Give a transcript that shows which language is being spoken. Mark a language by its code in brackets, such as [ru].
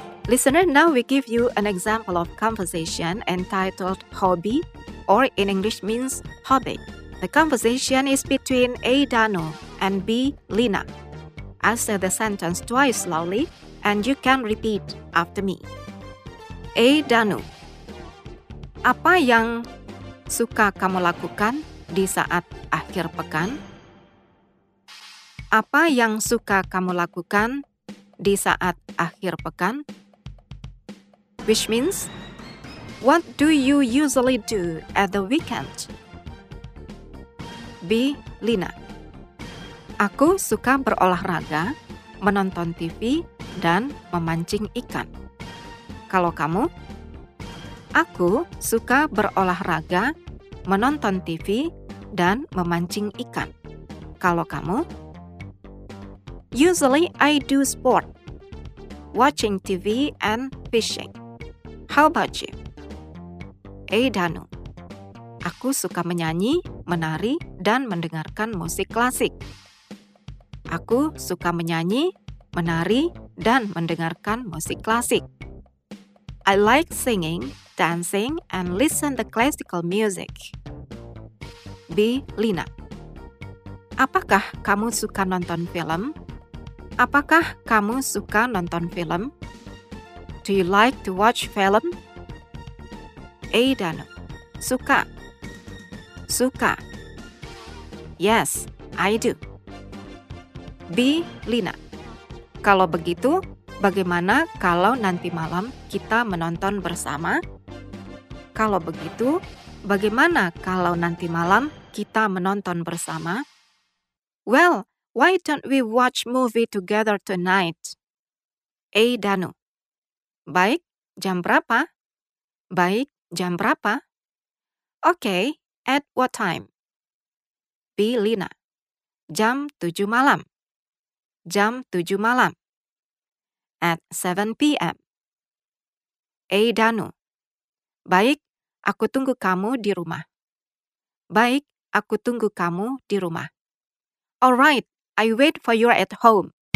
[en] Listener, now we give you an example of conversation entitled hobby, or in English means hobby. The conversation is between A. Dano and B. Lina. I'll say the sentence twice slowly, and you can repeat after me. A. Dano. [id] Apa yang suka kamu lakukan di saat akhir pekan? Apa yang suka kamu lakukan di saat akhir pekan? [en] Which means, what do you usually do at the weekend? [id] B. Lina. Aku suka berolahraga, menonton TV, dan memancing ikan. Kalau kamu? Aku suka berolahraga, menonton TV, dan memancing ikan. Kalau kamu? [en] Usually I do sport, watching TV and fishing. How about you? A. Danu. [id] Aku suka menyanyi, menari, dan mendengarkan musik klasik. Aku suka menyanyi, menari, dan mendengarkan musik klasik. [en] I like singing, dancing, and listen to classical music. B. Lina. [id] Apakah kamu suka nonton film? Apakah kamu suka nonton film? [en] Do you like to watch film? [id] A. Dano. Suka. Suka. [en] Yes, I do. B. Lina. [id] Kalau begitu, bagaimana kalau nanti malam kita menonton bersama? Kalau begitu, bagaimana kalau nanti malam kita menonton bersama? [en] Well, why don't we watch movie together tonight? [id] A. Dano. Baik, jam berapa? Baik, jam berapa? [en] Okay, at what time? B. Lina. [id] Jam 7 malam. Jam 7 malam. [en] At 7 p.m. A. Dano. [id] Baik, aku tunggu kamu di rumah. Baik, aku tunggu kamu di rumah. [en] All right, I wait for you at home.